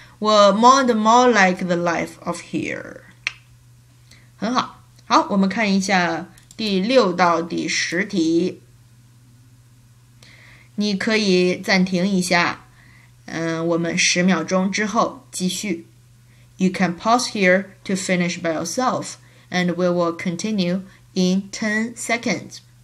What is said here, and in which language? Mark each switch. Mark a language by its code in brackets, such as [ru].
[en] 我 more and more like the life of here. [zh] 很好。好，我们看一下第六到第十题。你可以暂停一下，我们十秒钟之后继续。 [en] You can pause here to finish by yourself, and we will continue in 10 seconds.